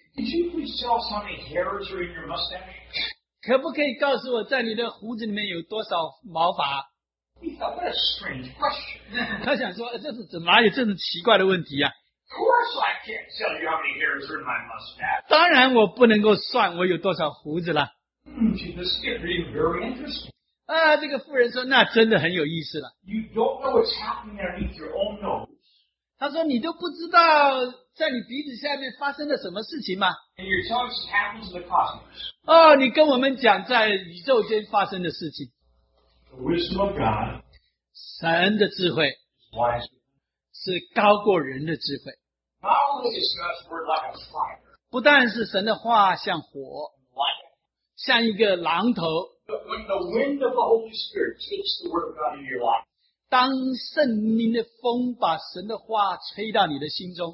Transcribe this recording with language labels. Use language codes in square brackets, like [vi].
[en] Could you please tell us how many hairs are in your mustache? [zh] 可不可以告诉我在你的胡子里面有多少毛发? [en] He thought, what a strange question. [zh] 他想说,这是怎么,这是奇怪的问题啊? [en] Of course I can't tell you how many hairs are in my mustache. [zh] 当然我不能够算我有多少胡子了。Jesus, [en] it's getting very interesting. [zh] 这个妇人说,那真的很有意思了。You [en] don't know what's happening underneath your own nose. [zh] 他说,你都不知道在你鼻子下面发生了什么事情吗? [en] And you're telling us what happens in the cosmos. [zh] 你跟我们讲在宇宙间发生的事情。 [en] The wisdom of God, [zh] 神的智慧, [en] wise, [zh] 是高过人的智慧. [en] Not only is God's word like a fire, [zh] 不但是神的话像火, [en] like, [zh] 像一个榔头, [en] but when the wind of the Holy Spirit takes the word of God into your life, [zh] 当圣灵的风把神的话吹到你的心中,